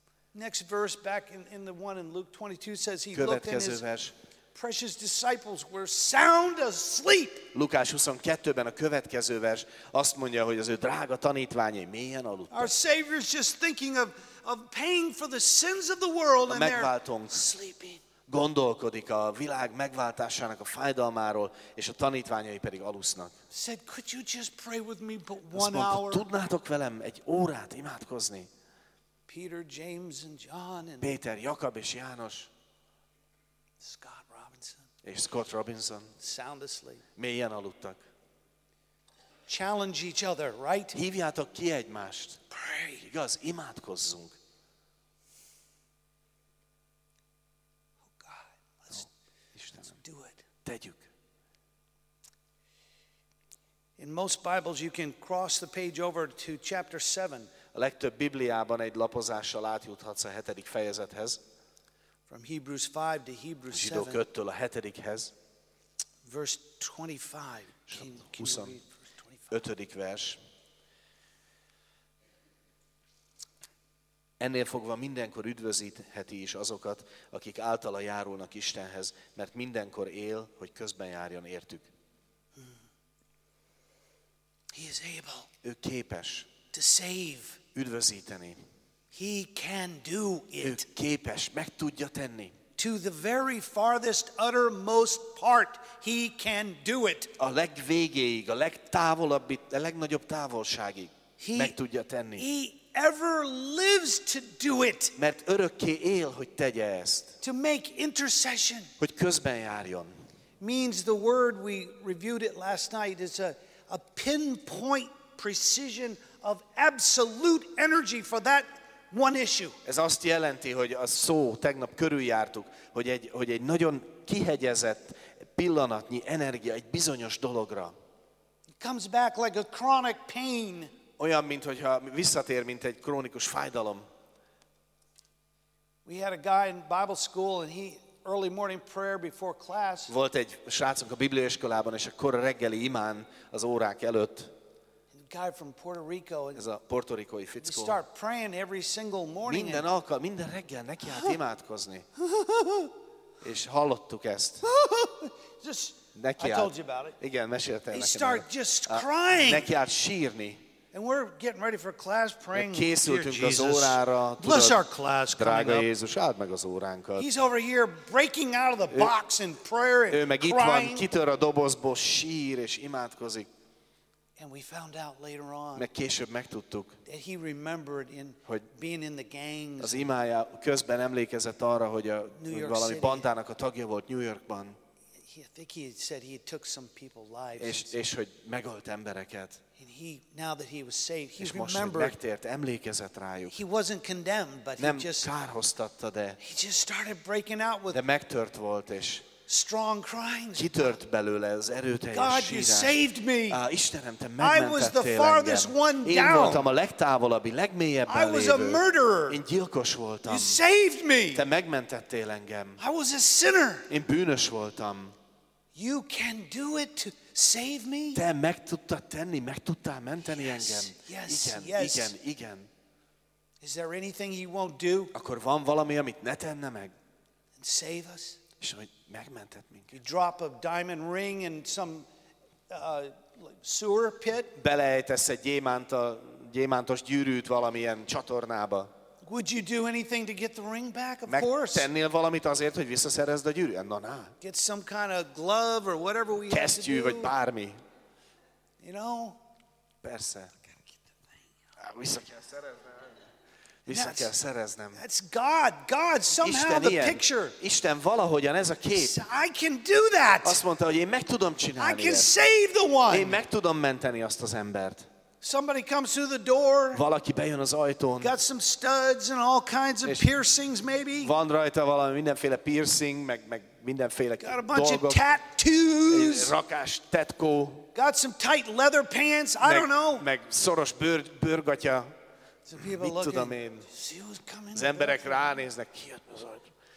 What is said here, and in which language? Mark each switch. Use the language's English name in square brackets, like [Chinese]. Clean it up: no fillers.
[English] Next verse back in the one in Luke 22 says he [Hungarian] következő [English] looked in his [Hungarian] vers. [English] precious disciples were sound asleep. [Hungarian] Lukás 22-ben a következő vers azt mondja, hogy az ő drága tanítványai mélyen aludtak. [English] Our Savior is just thinking of paying for the sins of the world and [Hungarian] megváltunk. [English] They're sleeping. [Hungarian] Gondolkodik a világ megváltásának a fájdalmáról, és a tanítványai pedig alusznak. [English] Said, could you just pray with me but one hour? [Hungarian] Tudnátok velem egy órát imádkozni? [English] Peter, James and John and [Hungarian] Péter, Jakab és János. [English] Scott Robinson. [Hungarian] És Scott Robinson. [English] Sound asleep. [Hungarian] Mélyen aludtak. [English] Challenge each other, right? [Hungarian] Hívjátok ki egymást. [English] Pray. [Hungarian] Igaz, imádkozzunk. Tegyük. [English] In most Bibles you can cross the page over to chapter 7. [Hungarian] A legtöbb Bibliában egy lapozással átjuthatsz a hetedik fejezethez. [English] From Hebrews 5 to Hebrews 7. [Hungarian] A zsidók 5-től a hetedikhez. [English] Verse 25. [Hungarian] 25. vers. Ennél fogva mindenkor üdvözítheti is azokat, akik általa járulnak Istenhez, mert mindenkor él, hogy közben járjon értük. [English] He is able. [Hungarian] Ő képes. [English] To save. [Hungarian] Üdvözíteni. [English] He can do it. [Hungarian] Ő képes, meg tudja tenni. [English] To the very farthest, uttermost part, he can do it. [Hungarian] A legvégéig, a legtávolabb, a legnagyobb távolságig meg tudja tenni. [English] He ever lives to do it. [Hungarian] Mert örökké él, hogy tegye ezt. [English] To make intercession. [Hungarian] Hogy közben járjon. [English] Means the word we reviewed it last night is a pinpoint precision of absolute energy for that one issue. [Hungarian] Ez azt jelenti, hogy a szó tegnap körüljártuk, hogy egy nagyon kihegyezett pillanatnyi energia egy bizonyos dologra. [English] It comes back like a chronic pain. [Hungarian] Olyan, mint hogyha visszatér, mint egy krónikus fájdalom. [English] We had a guy in Bible school and he early morning prayer before class. [Hungarian] Volt egy srácunk a bibliaiskolában, és a kora reggeli imán az órák előtt. [English] And a guy from Puerto Rico. [Hungarian] Ez a portorikói fickó. [English] We start praying every single morning. [Hungarian] Minden reggel neki állt imádkozni. És hallottuk ezt. [English] Just [Hungarian] neki állt. [English] I told you about it. [Hungarian] Igen, meséltem nekem. [English] He start just crying. [Hungarian] Neki állt sírni. [English] And we're getting ready for class, praying. [Hungarian] Készültünk [English] Jesus, [Hungarian] az órára. [English] Bless our class, [Hungarian] drága Jézus, áld meg az óránkat. [English] He's over here breaking out of the box in prayer and crying. [Hungarian] Ő meg itt van, kitör a dobozból, sír és imádkozik. [English] And we found out later on. [Hungarian] Meg később megtudtuk. [English] That he remembered in being in the gangs. [Hungarian] Az imája közben emlékezett arra, hogy a valami bandának a tagja volt New Yorkban. [English] I think he said he took some people's lives. [Hungarian] És hogy megölt embereket. [English] And he, now that he was saved, he [Hungarian] most, [English] remembered. [Hungarian] Megtért, emlékezett rájuk. [English] He wasn't condemned, but [Hungarian] nem [English] he just [Hungarian] kárhoztatta, de [English] he just started breaking out with [Hungarian] de megtört volt, és [English] strong crying. [Hungarian] Kitört belőle az erőteljes [English] God, [Hungarian] sírás. [English] You saved me. [Hungarian] Istenem, te megmentettél [English] I was the farthest one down. [Hungarian] Én voltam a legtávolabbi, legmélyebb [English] I was a murderer. [Hungarian] Én gyilkos voltam. [English] You saved me. [Hungarian] Te megmentettél engem. [English] I was a sinner. [Hungarian] Én bűnös voltam. [English] You can do it to save me? [Hungarian] Te meg tudtad tenni, meg tudtál menteni [English] yes, [Hungarian] engem. [English] Yes, [Hungarian] igen, [English] yes. [Hungarian] Igen, igen. [English] Is there anything he won't do? [Hungarian] Akkor van valami, amit ne tenne meg? [English] And save us? [Hungarian] És hogy megmentett minket. [English] You drop a diamond ring in some sewer pit? [Hungarian] Beleejtesz egy gyémántos gyűrűt valamilyen csatornába. [English] Would you do anything to get the ring back? Of course. [Hungarian] Megtennél valamit azért, hogy visszaszerezd a gyűrűt? [English] No, nah. Get some kind of glove or whatever we have to do. [Hungarian] Kesztyű vagy bármi. [English] You know? [Hungarian] Persze. Vissza kell szereznem. Vissza kell szereznem. [English] That's God. God somehow the picture. [Hungarian] Isten valahogyan ez a kép. [English] I can do that. [Hungarian] Azt mondta, hogy én meg tudom csinálni. [English] I can save the one. [Hungarian] Én meg tudom menteni azt az embert. [English] Somebody comes through the door. [Hungarian] Valaki bejön az ajtón. [English] Got some studs and all kinds of piercings, maybe. [Hungarian] Van rajta valami mindenféle piercing, meg mindenféle [English] got a bunch of tattoos. [Hungarian] Rakás tetkó. [English] Got some tight leather pants. I don't know. [Hungarian] Meg szoros bőrgatya. Mit tudom én? Az emberek ránéznek, ki jött az ajtón.